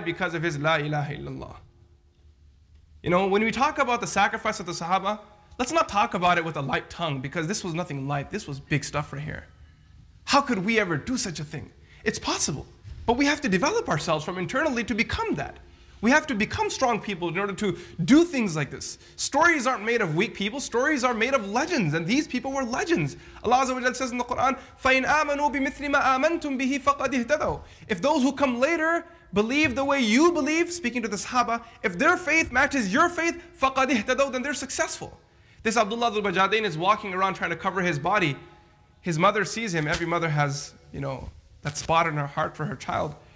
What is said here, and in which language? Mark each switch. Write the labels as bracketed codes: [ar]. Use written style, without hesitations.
[en] Because of his La ilaha illallah. You know, when we talk about the sacrifice of the Sahaba, let's not talk about it with a light tongue, because this was nothing light. This was big stuff right here. How could we ever do such a thing? It's possible. But we have to develop ourselves from internally to become that. We have to become strong people in order to do things like this. Stories aren't made of weak people. Stories are made of legends. And these people were legends. Allah says in the Quran, [ar] فَإِنْ آمَنُوا بِمِثْلِ مَا آمَنْتُمْ بِهِ فَقَدْ اِهْتَدَوْا. [en] If those who come later believe the way you believe, speaking to the Sahaba, if their faith matches your faith, [ar] فَقَدْ اِهْتَدَوْا, [en] then they're successful. This Abdullah al-Bajadain is walking around trying to cover his body. His mother sees him. Every mother has, you know, that spot in her heart for her child.